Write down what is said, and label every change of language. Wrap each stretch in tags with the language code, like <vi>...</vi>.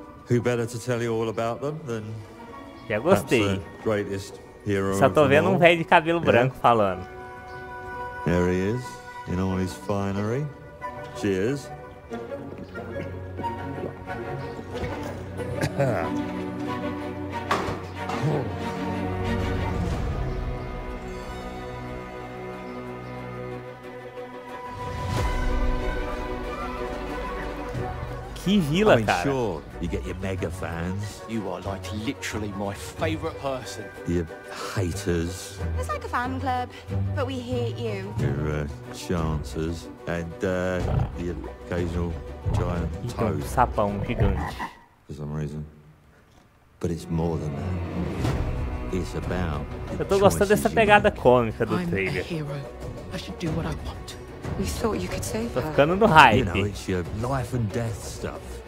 <en>Who better to tell you all about them than</en> <pt>já gostei.</pt> <en>Greatest hero.</en> <pt>Só tô vendo um velho de cabelo branco falando.</pt> <en>There he is, in all his finery. Cheers.</en> <pt>Que vila, cara.</pt> <en>I'm sure you get your mega fans. You are like literally my favorite person. Your haters. It's like a fan club, but we hate you. Your chances and the occasional giant toad.</en> <pt>Sapão gigante.</pt> <en>For some reason. But it's more than that. It's about.</en> <pt>Eu tô gostando dessa pegada cômica do trailer.</pt> <en>I'm a hero. I should do what I want. We thought you could save her.</en> <pt>Tô ficando no hype.</pt> <en>You know, it's your life and death stuff.</en>